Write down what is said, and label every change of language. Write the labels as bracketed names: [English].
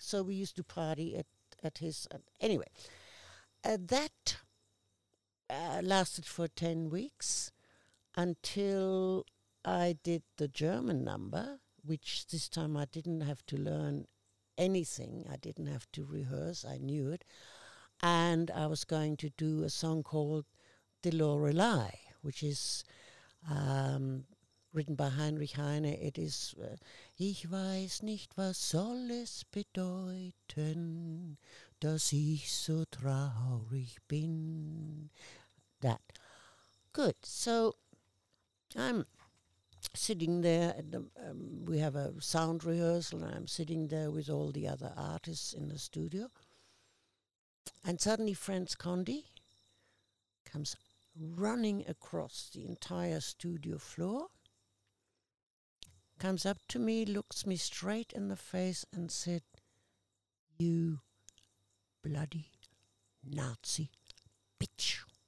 [English] So we used to party at his. Anyway, that lasted for 10 weeks until I did the German number, which this time I didn't have to learn anything. I didn't have to rehearse. I knew it. And I was going to do a song called Die Lorelei, which is... written by Heinrich Heine. It is, [German] ich weiß nicht, was soll es bedeuten, dass ich so traurig bin. [English] That. Good. So I'm sitting there, and we have a sound rehearsal, and I'm sitting there with all the other artists in the studio. And suddenly Franz Conde comes running across the entire studio floor, comes up to me, looks me straight in the face and said, you bloody Nazi bitch.